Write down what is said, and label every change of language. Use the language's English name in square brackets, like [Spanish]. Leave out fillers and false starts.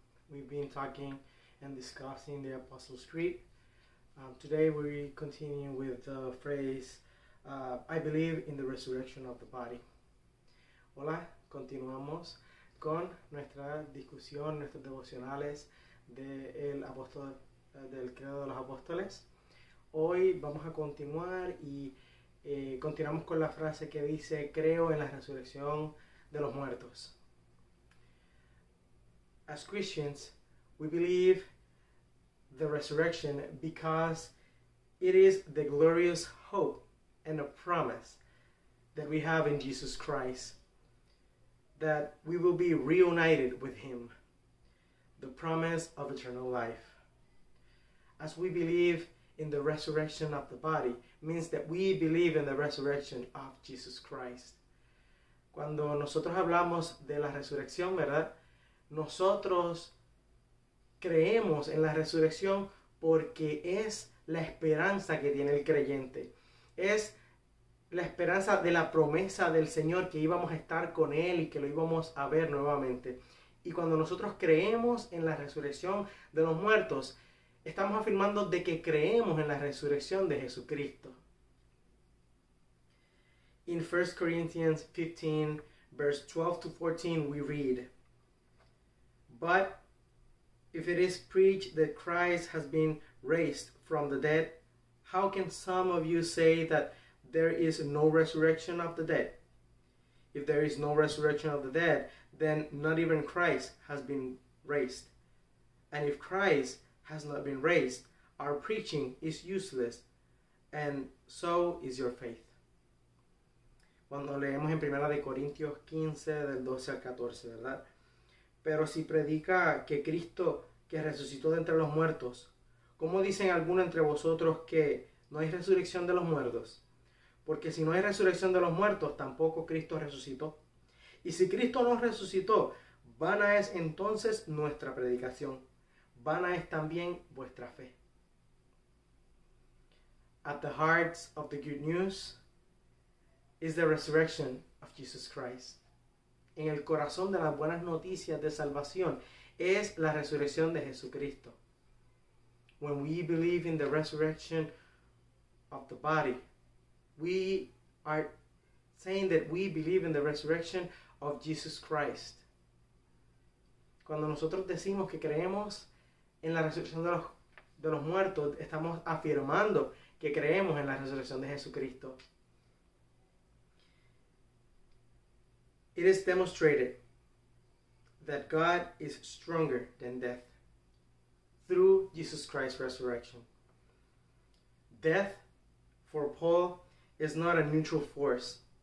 [English] We've been talking and discussing the Apostles' Creed. Today we continue with the phrase, I believe in the resurrection of the body. [Spanish] Hola, continuamos con nuestra discusión, nuestros devocionales del apóstol, del credo de los apóstoles. Hoy vamos a continuar y continuamos con la frase que dice, creo en la resurrección de los muertos. [English] As Christians, we believe the resurrection because it is the glorious hope and a promise that we have in Jesus Christ, that we will be reunited with Him, the promise of eternal life. As we believe in the resurrection of the body, means that we believe in the resurrection of Jesus Christ. [Spanish] Cuando nosotros hablamos de la resurrección, ¿verdad? Nosotros creemos en la resurrección porque es la esperanza que tiene el creyente. Es la esperanza de la promesa del Señor que íbamos a estar con Él y que lo íbamos a ver nuevamente. Y cuando nosotros creemos en la resurrección de los muertos, estamos afirmando de que creemos en la resurrección de Jesucristo. [English] In 1 Corinthians 15, verse 12 to 14, we read, But if it is preached that Christ has been raised from the dead, how can some of you say that there is no resurrection of the dead? If there is no resurrection of the dead, then not even Christ has been raised. And if Christ has not been raised, our preaching is useless, and so is your faith. [Spanish] Cuando leemos en 1 Corintios 15, del 12 al 14, ¿verdad? Pero si predica que Cristo, que resucitó de entre los muertos, ¿cómo dicen algunos entre vosotros que no hay resurrección de los muertos? Porque si no hay resurrección de los muertos, tampoco Cristo resucitó. Y si Cristo no resucitó, vana es entonces nuestra predicación. Vana es también vuestra fe. [English] At the hearts of the good news is the resurrection of Jesus Christ. [Spanish] En el corazón de las buenas noticias de salvación es la resurrección de Jesucristo. [English] When we believe in the resurrection of the body, we are saying that we believe in the resurrection of Jesus Christ. [Spanish] Cuando nosotros decimos que creemos en la resurrección de los muertos, estamos afirmando que creemos en la resurrección de Jesucristo. [English] It is demonstrated that God is stronger than death through Jesus Christ's resurrection. Death, for Paul, is not a neutral force.